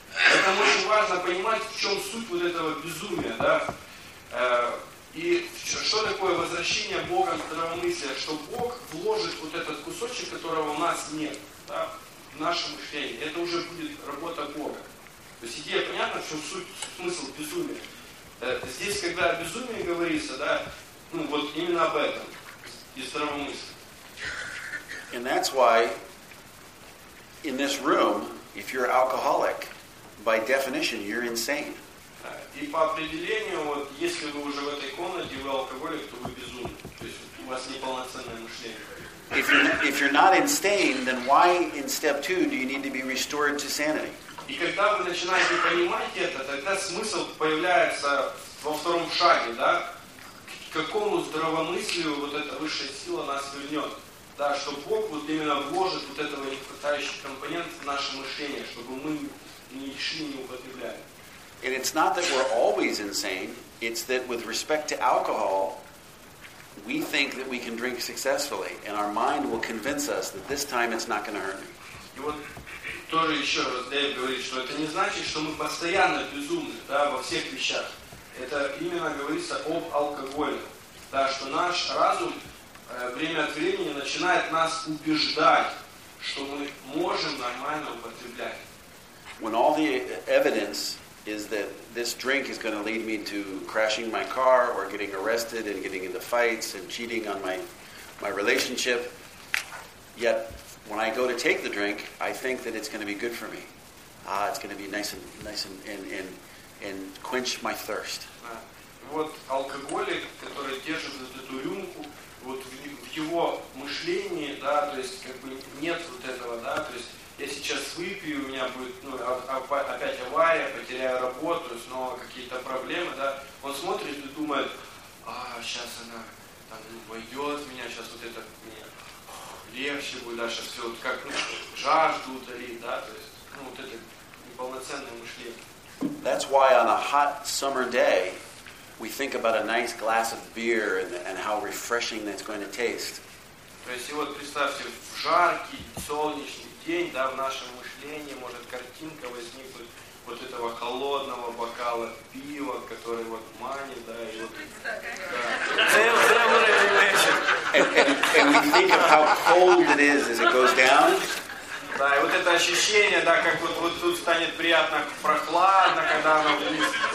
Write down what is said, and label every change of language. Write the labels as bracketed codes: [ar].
[ru] Поэтому очень важно понимать, в чем суть вот этого безумия, да, и что такое возвращение Богом здравомыслия, что Бог вложит вот этот кусочек, которого у нас нет, да, в наше мышление. Это уже будет работа Бога. То есть идея понятна, в чем суть, смысл безумия. Здесь, когда о безумии говорится, да, ну вот именно об этом, из здравомыслия. [en] And that's why in this room, if you're alcoholic, by definition, you're insane. [ru] И по определению, вот если вы уже в этой комнате, вы алкоголик, то вы безумный. То есть у вас неполноценное мышление. [en] If you're not insane, then why in step two do you need to be restored to sanity? [ru] И когда вы начинаете понимать это, тогда смысл появляется во втором шаге, да? К какому здравомыслию вот эта высшая сила нас вернет? Да, что Бог вот именно вложит вот этого нехватающего компонента в наше мышление, чтобы мы не шли, не употребляли. [en] And it's not that we're always insane, it's that with respect to alcohol, we think that we can drink successfully, and our mind will convince us that this time it's not going to hurt me. [ru] И вот тоже еще раз Дэйв говорит, что это не значит, что мы постоянно безумны, да, во всех вещах. Это именно говорится об алкоголе. Да, что наш разум время от времени начинает нас убеждать, что мы можем нормально употреблять. [en] When all the evidence is that this drink is going to lead me to crashing my car or getting arrested and getting into fights and cheating on my relationship, yet when I go to take the drink, I think that it's going to be good for me. Ah, it's going to be nice and quench my thirst. [ru] Вот алкоголик, который держит эту рюмку, вот в его мышлении, да, то есть как бы нет вот этого, да, то есть я сейчас выпью, у меня будет, ну, опять авария, потеряю работу, снова какие-то проблемы, да. Он смотрит и думает, а сейчас она там войдет в меня, сейчас вот это мне легче будет, да, сейчас все вот как, ну, жажду утолит, да, то есть, ну, вот это неполноценное мышление. [en] That's why on a hot summer day we think about a nice glass of beer and how refreshing that's going to taste. [ru] То есть, и вот представьте, в жаркий, солнечный день, да, в нашем мышлении может картинка возникнуть вот этого холодного бокала пива, который вот манит, да, и вот... [en] And we think of how cold it is as it goes down. [ru] Да, и вот это ощущение, да, как вот, вот тут станет приятно прохладно, когда оно близко.